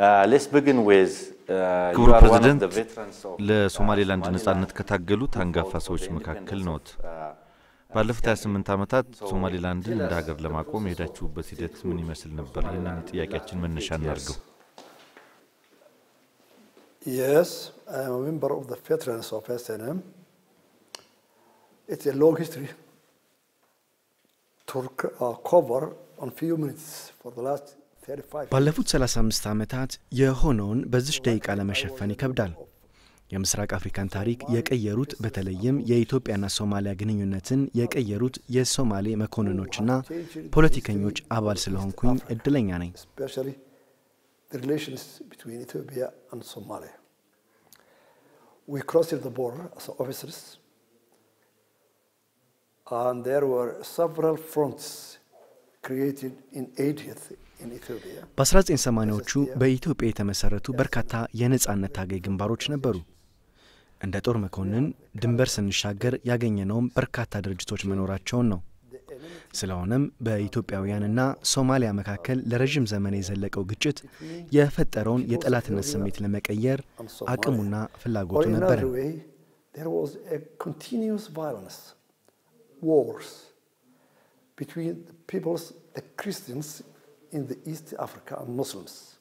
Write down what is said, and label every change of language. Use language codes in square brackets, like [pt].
[en] Let's begin with [am] ክቡር ፕሬዝዳንት ለሶማሊላንድ ነጻነት ከታገሉ ታንጋፋ ሰዎች መካከል ነዎት። ባለፉት 28 ዓመታት ሶማሊላንድን እንደ ሀገር ለማቆም የሄዳችሁበት ሂደት ምን ይመስል ነበር? እናንተ ጥያቄያችን መነሻ እናርገው። [en] Yes, I am a member of the veterans of SNM. It's a long history. Turk cover on few minutes for the last 35 [am] ባለፉት 35 ዓመታት የሆነውን በዚህ ደቂቃ ለመሸፈን ይከብዳል። የምስራቅ አፍሪካን ታሪክ የቀየሩት በተለይም የኢትዮጵያና ሶማሊያ ግንኙነትን የቀየሩት የሶማሌ መኮንኖችና ፖለቲከኞች አባል ስለሆንኩኝ እድለኛ ነኝ። [en] Especially the relations between Ethiopia and Somalia. We crossed the border as officers and there were several fronts created in 80th [am] በ1980ዎቹ በኢትዮጵያ የተመሰረቱ በርካታ የነጻነት ታጋይ ግንባሮች ነበሩ። እንደ ጦር መኮንን ድንበር ስንሻገር ያገኘነው በርካታ ድርጅቶች መኖራቸው ነው። ስለሆነም በኢትዮጵያውያንና ሶማሊያ መካከል ለረጅም ዘመን የዘለቀው ግጭት የፈጠረውን የጠላትነት ስሜት ለመቀየር አቅሙና ፍላጎቱ ነበር። [en] There was a continuous violence wars between the peoples the Christians in the East Africa and Muslims.